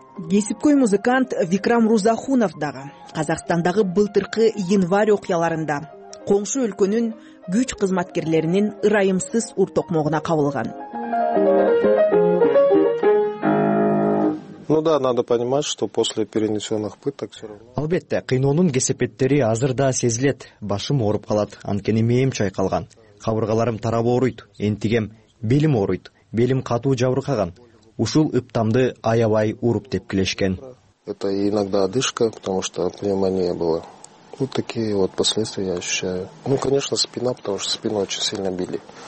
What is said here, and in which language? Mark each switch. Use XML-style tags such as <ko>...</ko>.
<ky>Кесипкөй музыкант Викрам Рузахунов дагы Казакстандагы былтыркы январь окуяларында коңшу өлкөнүн күч кызматкерлеринин ырайымсыз уртокмогуна кабылган.</ky> <ru>Ну да, надо понимать, что после перенесенных пыток все равно.</ru> <ky>Албетте, кыйноонун кесепеттери азырда сезилет, башым ооруп калат, анткени мээм чайкалган. Кабыргаларым тарап ооруйт, энтигем, белим ооруйт, белим катуу жабыркаган. Ушул ыптамды аябай уруп тепкилешкен.</ky> <ru>Это иногда одышка, потому что пневмония была. Вот такие вот последствия я ощущаю. Ну, конечно, спина, потому что спину очень сильно били.</ru>